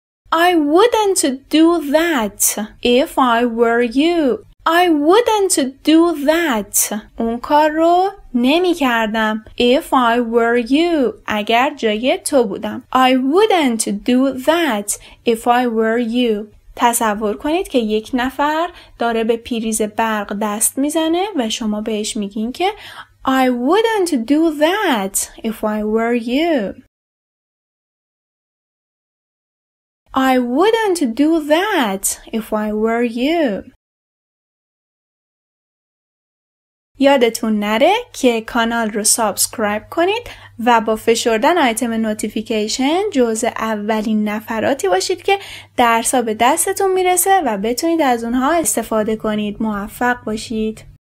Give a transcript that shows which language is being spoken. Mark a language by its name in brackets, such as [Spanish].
[English] I wouldn't do that if I were you. I wouldn't do that. [Persian] اون کار رو نمی کردم. [English] If I were you. [Persian] اگر جای تو بودم. [English] I wouldn't do that if I were you. [Persian] تصور کنید که یک نفر داره به پریز برق دست میزنه و شما بهش میگین که [English] I wouldn't do that if I were you. I wouldn't do that if I were you. [Persian] یادتون نره که کانال رو سابسکرایب کنید و با فشردن آیتم نوتیفیکیشن جزء اولین نفراتی باشید که درس‌ها به دستتون میرسه و بتونید از اونها استفاده کنید. موفق باشید.